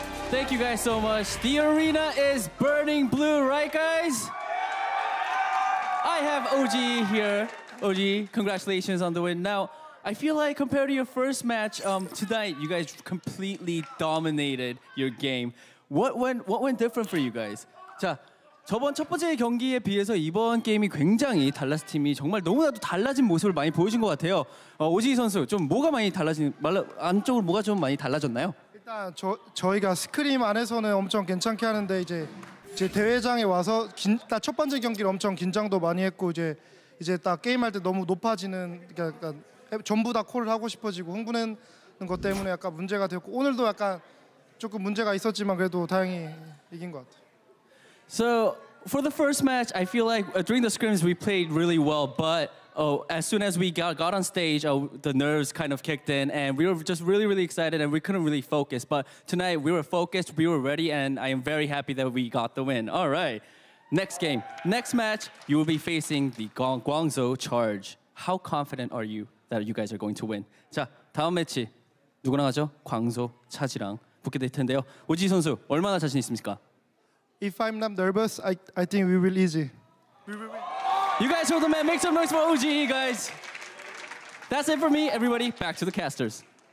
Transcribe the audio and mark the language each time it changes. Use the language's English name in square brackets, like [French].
[English] Thank you guys so much. The arena is burning blue, right, guys? I have OG here. OG, congratulations on the win. Now, I feel like compared to your first match tonight, you guys completely dominated your game. What went different for you guys? [Korean] 자, 저번 첫 번째 경기에 비해서 이번 게임이 굉장히 달라스 팀이 정말 너무나도 달라진 모습을 많이 보여준 것 같아요. 오지 선수, 좀 뭐가 많이 달라진, 안쪽으로 뭐가 좀 많이 달라졌나요? 일단 저희가 스크림 안에서는 엄청 괜찮게 하는데 이제 대회장에 와서 딱 첫 번째 경기를 엄청 긴장도 많이 했고 이제 딱 게임할 때 너무 높아지는 그러니까 전부 다 콜을 하고 싶어지고 흥분하는 것 때문에 약간 문제가 됐고 오늘도 약간 조금 문제가 있었지만 그래도 다행히 이긴 것 같아요. [English] So, for the first match, I feel like during the scrims we played really well, but as soon as we got on stage, the nerves kind of kicked in, and we were just really, really excited, and we couldn't really focus. But tonight, we were focused, we were ready, and I am very happy that we got the win. All right. Next game. Next match, you will be facing the Guangzhou Charge. How confident are you that you guys are going to win? [Korean] 자, 다음 매치. 누구나 가죠? 광저우 차지랑 붙게 될 텐데요. 오지 선수, 얼마나 자신 있습니까? [English] If I'm not nervous, I think we will easy. You guys are the man. Make some noise for OG, guys. That's it for me, everybody. Back to the casters.